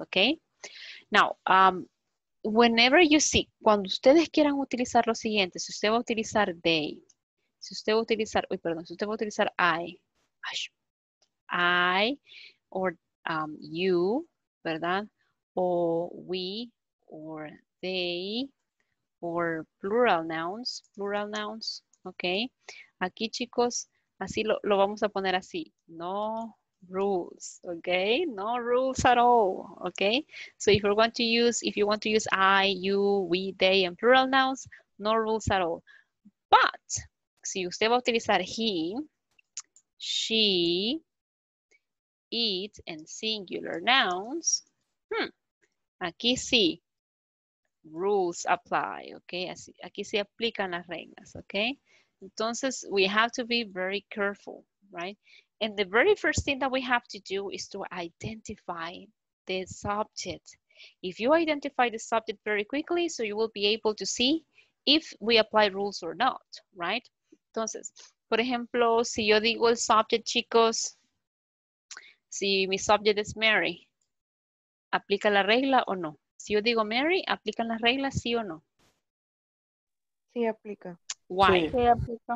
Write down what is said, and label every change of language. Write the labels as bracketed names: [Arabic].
[English] Okay. Now, whenever you see, [Spanish] cuando ustedes quieran utilizar lo siguiente, si usted va a utilizar they, si usted va a utilizar, uy, perdón, si usted va a utilizar [English] I or you, [Spanish] ¿verdad? [English] O we or they or plural nouns, okay. [Spanish] Aquí, chicos, así lo vamos a poner así. [English] No rules, okay? No rules at all, okay? So if you want to use, if you want to use I, you, we, they, and plural nouns, no rules at all. But [Spanish] si usted va a utilizar [English] he, she, it, and singular nouns, [Spanish] aquí sí, [English] rules apply, okay? [Spanish] Así, aquí se aplican las reglas, [English] okay? Entonces, we have to be very careful, right? And the very first thing that we have to do is to identify the subject. If you identify the subject very quickly, so you will be able to see if we apply rules or not, right? [Spanish] Entonces, por ejemplo, si yo digo el subject, chicos, si mi subject es Mary, ¿aplica la regla o no? Si yo digo Mary, ¿aplica la regla sí o no? Sí, aplica. [English] Why? [Spanish] Sí.